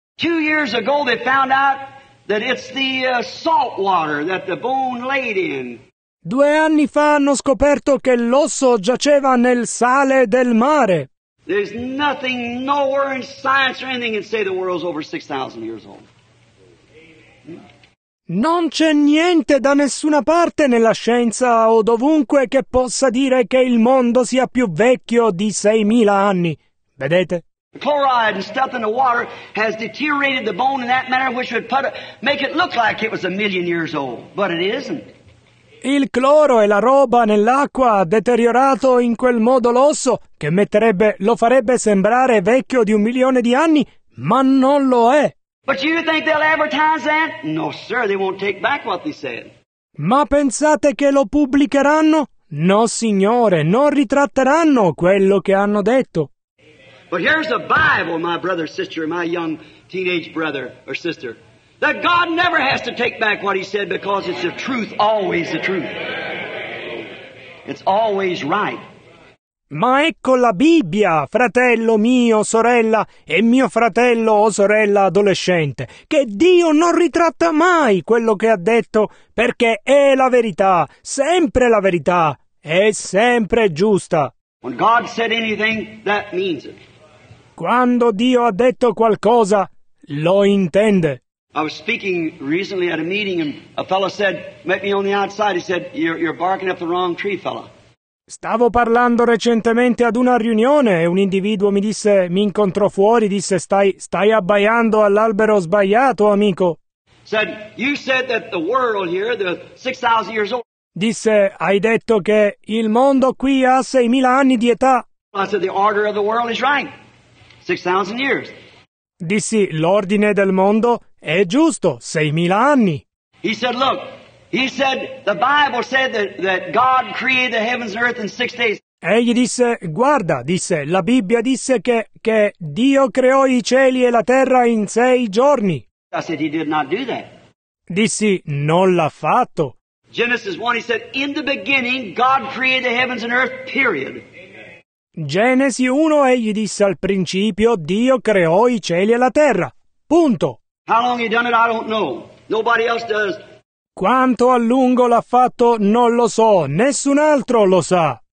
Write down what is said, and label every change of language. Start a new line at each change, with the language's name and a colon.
English: 2 years ago they found out that it's the salt water that the bone laid in.
Italian: 2 anni fa hanno scoperto che l'osso giaceva nel sale del mare.
English: There's nothing, nowhere in science or anything can say the world's over 6,000 years old.
Italian: Non c'è niente da nessuna parte nella scienza o dovunque che possa dire che il mondo sia più vecchio di 6.000 anni. Vedete?
English: The chloride and stuff in the water has deteriorated the bone in that manner which would make it look like it was a million years old, but it isn't.
Italian: Il cloro e la roba nell'acqua ha deteriorato in quel modo l'osso che lo farebbe sembrare vecchio di 1 milione di anni, ma non lo è.
English: But you think they'll advertise that? No, sir, they won't take back what they said.
Italian: Ma pensate che lo pubblicheranno? No, signore, non ritratteranno quello che hanno detto.
English: But here's the Bible, my brother, sister, my young teenage brother or sister, that God never has to take back what he said because it's the truth, always the truth. It's always right.
Italian: Ma ecco la Bibbia, fratello mio, sorella, e mio fratello o sorella adolescente, che Dio non ritratta mai quello che ha detto, perché è la verità, sempre la verità, è sempre giusta.
English: When God said anything, that means it.
Italian: Quando Dio ha detto qualcosa, lo intende.
English: I was speaking recently at a meeting and a fellow said, met me on the outside, he said, you're barking up the wrong tree, fella.
Italian: Stavo parlando recentemente ad una riunione e un individuo mi disse, mi incontrò fuori, disse, stai abbaiando all'albero sbagliato, amico.
English: Said, you said that the world here, the 6,000 years old.
Italian: Disse, hai detto che il mondo qui ha 6,000 anni di età.
English: I said, the order of the world is right, 6,000 years.
Italian: Dissi, l'ordine del mondo è giusto, 6,000 anni.
English: He said, look. He said, the Bible said that God created the heavens and earth in 6 days.
Italian: Egli disse, guarda, disse, la Bibbia disse che Dio creò i cieli e la terra in sei giorni.
English: I said he did not do that.
Italian: Dissi, non l'ha fatto.
English: Genesis 1, he said, in the beginning God created the heavens and earth, period.
Italian: Genesi 1, egli disse al principio, Dio creò i cieli e la terra, punto.
English: How long he done it, I don't know. Nobody else does.
Italian: Quanto a lungo l'ha fatto, non lo so, nessun altro lo sa.